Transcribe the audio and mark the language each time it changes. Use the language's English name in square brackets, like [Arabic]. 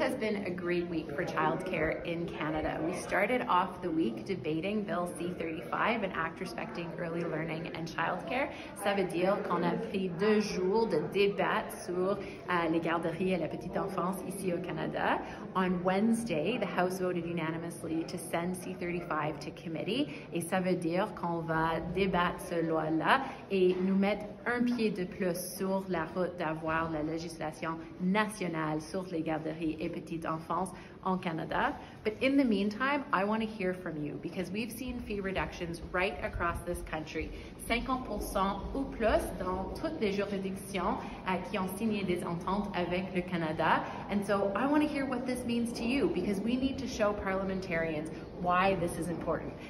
[English] been a great week for childcare in Canada. We started off the week debating Bill C-35, an act respecting early learning and childcare. [French] Ça veut dire qu'on a pris deux jours de débat sur les garderies et la petite enfance ici au Canada. [English] On Wednesday, the House voted unanimously to send C-35 to committee. [French] Et ça veut dire qu'on va débattre cette loi-là et nous mettre un pied de plus sur la route d'avoir la législation nationale sur les garderies et petite enfance en Canada. [English] But in the meantime, I want to hear from you because we've seen fee reductions right across this country. [French] 50% ou plus dans toutes les juridictions qui ont signé des ententes avec le Canada. [English] And so I want to hear what this means to you because we need to show parliamentarians why this is important.